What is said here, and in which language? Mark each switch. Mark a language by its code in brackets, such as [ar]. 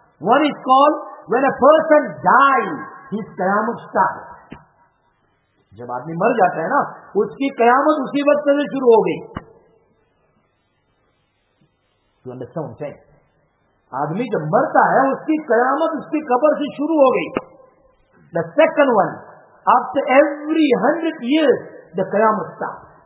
[en] One is called when a person dies, his قیامت starts. [ur] جب آدمی مر جاتا ہے نا اس کی قیامت اسی وقت سے شروع ہو گئی. [en] You understand what I'm saying? [ur] آدمی جب مرتا ہے اس کی قیامت اس کی قبر سے شروع ہو گئی. [en] The second one, after every 100 years the قیامت start.